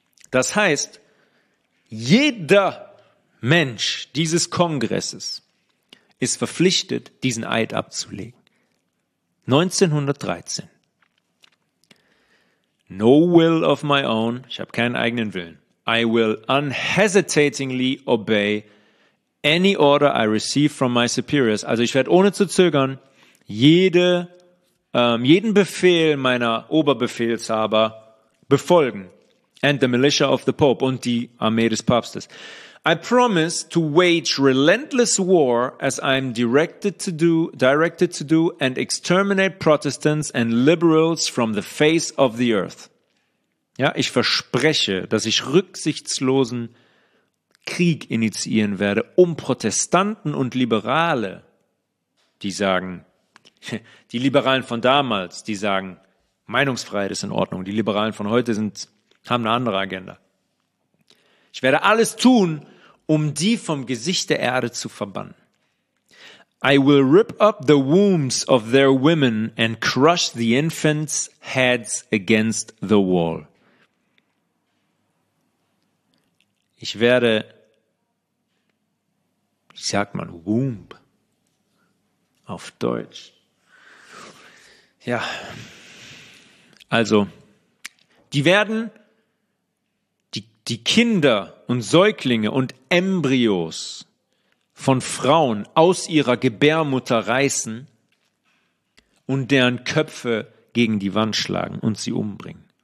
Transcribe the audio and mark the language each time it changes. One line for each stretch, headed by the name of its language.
German: Das heißt, jeder Mensch dieses Kongresses ist verpflichtet, diesen Eid abzulegen. 1913.
English: No will of my own,
German: ich habe keinen eigenen Willen.
English: I will unhesitatingly obey any order I receive from my superiors.
German: Also ich werde ohne zu zögern jeden Befehl meiner Oberbefehlshaber befolgen.
English: And the militia of the Pope
German: und die Armee des Papstes.
English: I promise to wage relentless war as I'm directed to do and exterminate Protestants and liberals from the face of the earth.
German: Ja, ich verspreche, dass ich rücksichtslosen Krieg initiieren werde, um Protestanten und Liberale, die sagen, die Liberalen von damals, die sagen, Meinungsfreiheit ist in Ordnung, die Liberalen von heute haben eine andere Agenda. Ich werde alles tun, um die vom Gesicht der Erde zu verbannen.
English: I will rip up the wombs of their women and crush the infants' heads against the wall.
German: Ich werde, wie sagt man, womb auf Deutsch. Ja, also, die werden die Kinder und Säuglinge und Embryos von Frauen aus ihrer Gebärmutter reißen und deren Köpfe gegen die Wand schlagen und sie umbringen.